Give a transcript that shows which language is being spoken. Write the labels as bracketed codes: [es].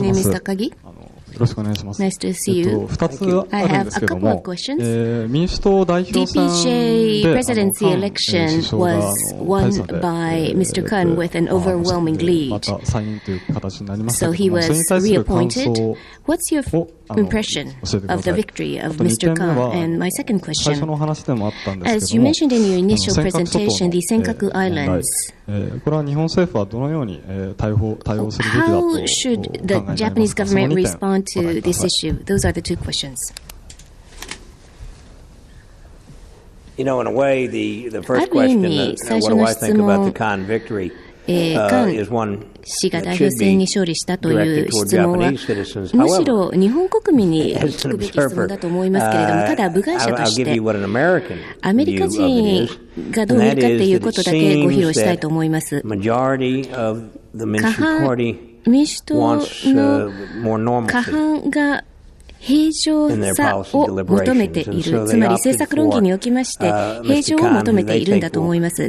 [en] My name is Takagi. [ja] よろしくお願いします。 [en] Nice to see you. [ja] 2つあるんですけども、民主党代表選で [en] DPJ presidency election was won by Mr. Kun with an overwhelming lead. [ja] また再任という形になりました。 [en] So he was reappointed. What's your impression of the victory of Mr. Kun? And my second question, as you mentioned in your initial presentation, the Senkaku Islands. [ja] これは日本政府はどのように対応するべきだと考えられますか。 [en] How should the Japanese government respond to this issue? Those are the two questions. You know, in a way, the first question, what do I think about the Khan victory? [ja] 菅氏が代表選に勝利したという質問はむしろ日本国民に聞くべき質問だと思いますけれども、ただ部外者としてアメリカ人がどう見るかということだけご披露したいと思います。過半民主党の過半が平常さを求めている、つまり政策論議におきまして平常を求めているんだと思います。